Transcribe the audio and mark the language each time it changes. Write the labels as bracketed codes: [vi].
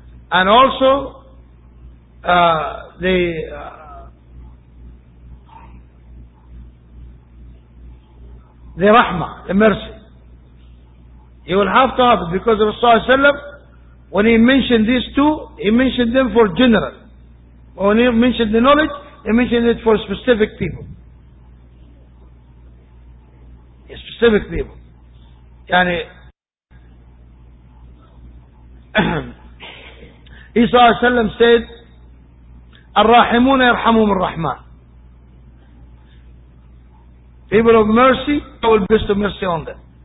[en] And also, the rahmah, the mercy. You will have to have it because of Rasulullah Sallam, when he mentioned these two, he mentioned them for general. When he mentioned the knowledge, he mentioned it for specific people. Specific people. [ar] Yani, he صلى الله عليه وسلم said, الراحمون يرحمهم الرحمن. [en] People of mercy, I will bestow mercy on them.